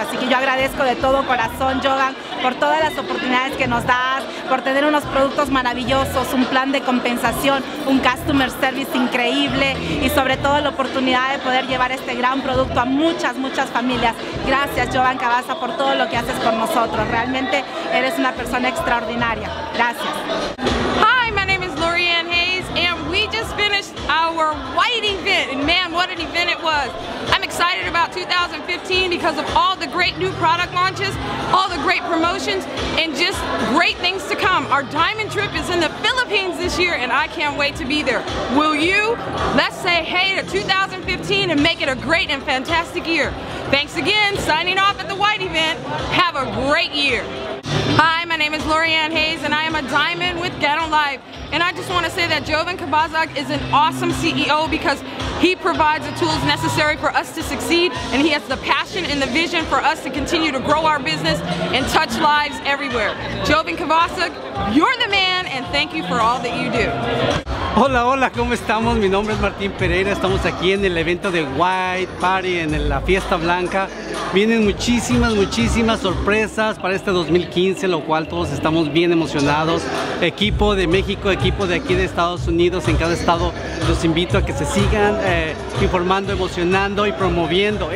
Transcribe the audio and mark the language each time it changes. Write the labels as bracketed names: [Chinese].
[Spanish] Así que yo agradezco de todo corazón, Jogan, por todas las oportunidades que nos das, por tener unos productos maravillosos, un plan de compensación, un [English] customer service [Spanish] increíble y sobre todo la oportunidad de poder llevar este gran producto a muchas, muchas familias. Gracias, Jovan Cabaza, por todo lo que haces por nosotros. Realmente eres una persona extraordinaria. Gracias. [English] Hi, my name is Lorianne Hayes and we just finished our white event. And man, what an event it was. I'm excited about 2015 because of all the great new product launches, all the great promotions, and just great things to come. Our diamond trip is in the Philippines this year, and I can't wait to be there. Will you? Let's say hey to 2015 and make it a great and fantastic year. Thanks again, signing off at the White Event. Have a great year. Hi, my name is Lorianne Hayes, and I am a diamond with Ganolife. And I just want to say that Jovan Kabazak is an awesome CEO because he provides the tools necessary for us to succeed, and he has the passion and the vision for us to continue to grow our business and touch lives everywhere. Jovan Kabazak, you're the man, and thank you for all that you do. [Spanish] Hola, hola, ¿cómo estamos? Mi nombre es Martín Pereira. Estamos aquí en el evento de White Party, en la Fiesta Blanca. Vienen muchísimas, muchísimas sorpresas para este 2015, lo cual todos estamos bien emocionados. Equipo de México, equipo de aquí de Estados Unidos, en cada estado, los invito a que se sigan informando, emocionando y promoviendo.